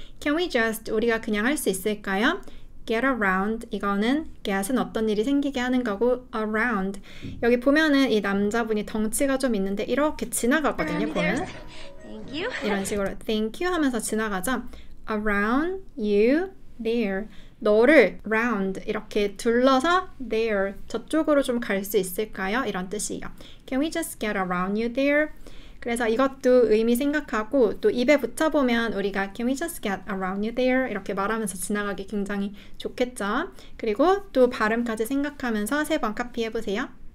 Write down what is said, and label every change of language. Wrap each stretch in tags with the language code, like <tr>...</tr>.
<en>Can we just</en> <ko>우리가 그냥 할 수 있을까요?</ko> <en>get around</en> <ko>이거는 get은 어떤 일이 생기게 하는 거고 around 여기 보면은 이 남자분이 덩치가 좀 있는데 이렇게 지나가거든요.</ko> <en>around</en> <ko>보면</ko> <en>thank you.</en> <ko>이런 식으로</ko> <en>thank you</en> <ko>하면서 지나가죠.</ko> <en>around you there</en> <ko>너를 round 이렇게 둘러서 there 저쪽으로 좀 갈 수 있을까요? 이런 뜻이에요.</ko> <en>Can we just get around you there?</en> <ko>그래서 이것도 의미 생각하고 또 입에 붙여보면 우리가</ko> <en>Can we just get around you there?</en> <ko>이렇게 말하면서 지나가기 굉장히 좋겠죠. 그리고 또 발음까지 생각하면서 세 번 카피해 보세요.</ko>